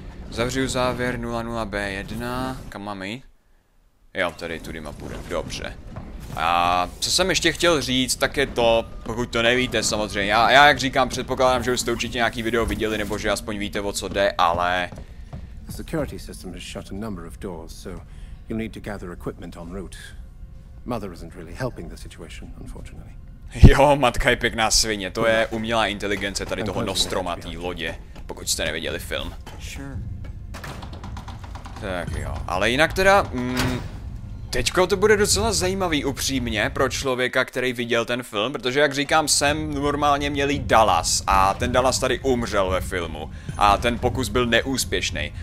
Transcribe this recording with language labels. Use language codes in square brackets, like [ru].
[cs] Zavřu závěr 00B1. Kam mám jít? Jo, tady tudy ma půjde. Dobře. A co jsem ještě chtěl říct, tak je to, pokud to nevíte samozřejmě. Já jak říkám, předpokládám, že už jste určitě nějaký video viděli, nebo že aspoň víte, o co jde, ale... [en] Security system has shut a number of doors, so you'll need to gather equipment en route. Mother isn't really helping the situation, unfortunately. [cs] Jo, matka je pěkná svině, to je umělá inteligence tady toho nostromatý lodě, pokud jste neviděli film. [en] Sure. [cs] Tak jo, ale jinak teda, teďko to bude docela zajímavý upřímně pro člověka, který viděl ten film, protože jak říkám, jsem normálně měl Dallas a ten Dallas tady umřel ve filmu a ten pokus byl neúspěšný.